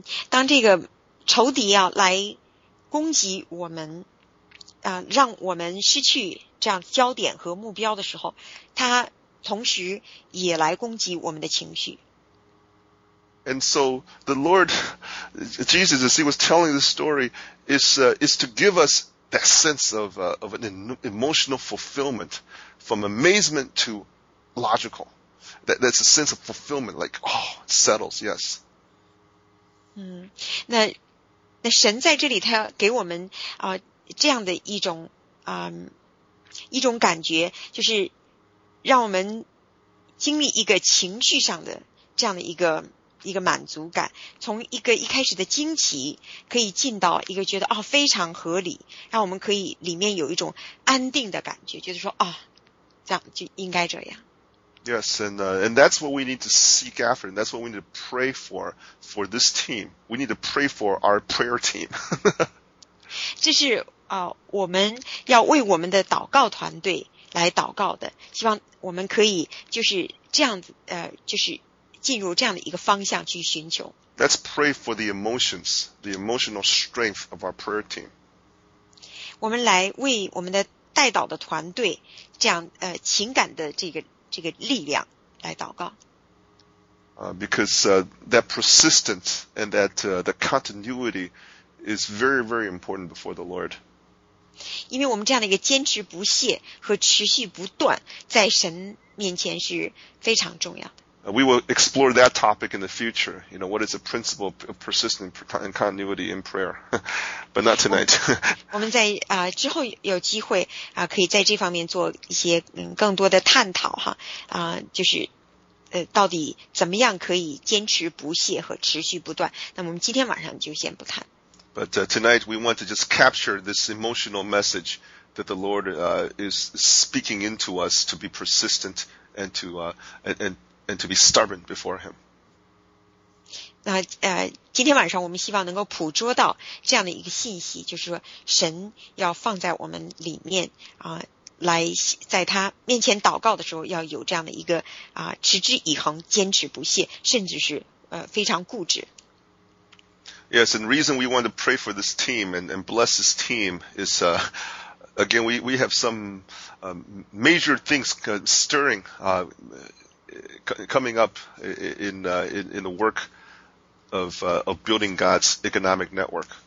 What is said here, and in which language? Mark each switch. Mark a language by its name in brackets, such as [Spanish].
[Chinese] 当这个仇敌要来攻击我们，让我们失去这样焦点和目标的时候，他同时也来攻击我们的情绪。 [English] And so the Lord Jesus, as he was telling the story, is to give us that sense of an emotional fulfillment from amazement to logical. That's a sense of fulfillment, like, oh, it settles, yes. [Chinese] 那神在这里他给我们这样的一种一种感觉，就是让我们经历一个情绪上的这样的一个满足感，从一个一开始的惊奇可以进到一个觉得非常合理，让我们可以里面有一种安定的感觉，就是说这样就应该这样。 [English] Yes, and that's what we need to seek after, and that's what we need to pray for this team. We need to pray for our prayer team. [Chinese] 这是我们要为我们的祷告团队来祷告的，希望我们可以就是这样子就是进入这样的一个方向去寻求。 [English] Let's pray for the emotions, the emotional strength of our prayer team. [Chinese] 我们来为我们的代祷的团队这样情感的这个力量来祷告。 [English] Because that persistence and that the continuity is very, very important before the Lord. [Chinese] 因为我们这样的一个坚持不懈和持续不断在神面前是非常重要的。 [English] We will explore that topic in the future. You know, what is the principle of persistence and continuity in prayer? But not tonight. [Chinese] 我们在之后有机会可以在这方面做一些更多的探讨哈就是到底怎么样可以坚持不懈和持续不断。那么我们今天晚上就先不谈。 [English] But tonight we want to just capture this emotional message that the Lord is speaking into us to be persistent and to be stubborn before Him. [Chinese] 那今天晚上我们希望能够捕捉到这样的一个信息，就是说神要放在我们里面来在他面前祷告的时候要有这样的一个持之以恒、坚持不懈，甚至是非常固执。 [English] Yes, and the reason we want to pray for this team and bless this team is, again, we have some major things stirring coming up in the work of building God's economic network.